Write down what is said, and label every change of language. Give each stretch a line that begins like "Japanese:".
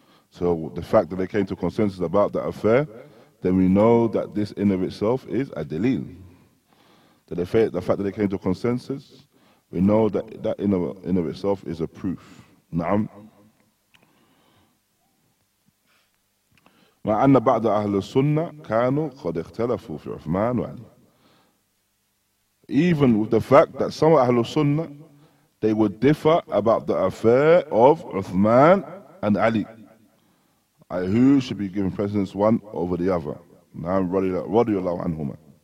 English: So the fact that they came to a consensus about that affair, then we know that this in of itself is a delil. The fact that they came to a consensus, we know that in of itself is a proof.
Arabic: Naam. وأن بعض أهل السنة كانوا قد اختلفوا في عثمان وعلي.
English: Even with the fact that some أهل السنة they would differ about the affair of Uthman and Ali, who should be given precedence one over the other.
Arabic: نعم رضي الله عنهما.